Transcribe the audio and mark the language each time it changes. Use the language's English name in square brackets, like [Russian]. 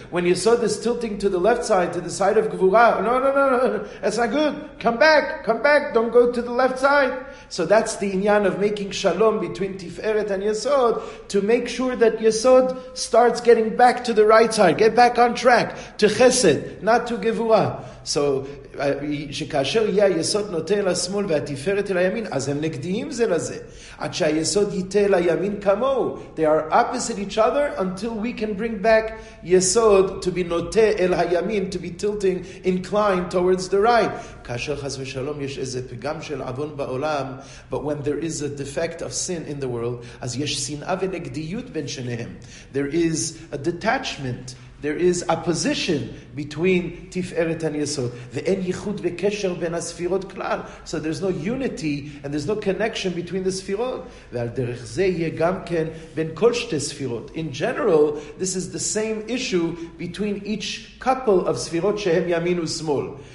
[English] When Yesod is tilting to the left side, to the side of Gvura, no, that's not good. Come back, don't go to the left side. So that's the inyan of making shalom between Tiferet and Yesod, to make sure that Yesod starts getting back to the right side, get back on track, to Chesed, not to Gvura. [Hebrew] So, שכאשר יהיה היסוד נוטה אל השמאל והתפארת אל הימין, אז הם נגדיים זה לזה. עד שהיסוד ייתה אל הימין כמו. [English] They are opposite each other until we can bring back יסוד to be [Hebrew] נוטה אל הימין, [English] to be tilting, inclined towards the right. [Hebrew] כאשר חס ושלום יש איזה פגם של אבון בעולם, [English] but when there is a defect of sin in the world, [Hebrew] אז יש שנאה ונגדיות בין שניהם. [English] There is a detachment. There is opposition between Tiferet and Yesod. [Hebrew] Ve'en yichud ve'kesher ben ha-sfirot klal. [English] So there's no unity and there's no connection between the sfirot. [Hebrew] Ve'al derech zeh yeh gam ken ben kol shtei sfirot. [English] In general, this is the same issue between each couple of sfirot [Hebrew] shehem yamin u'smol.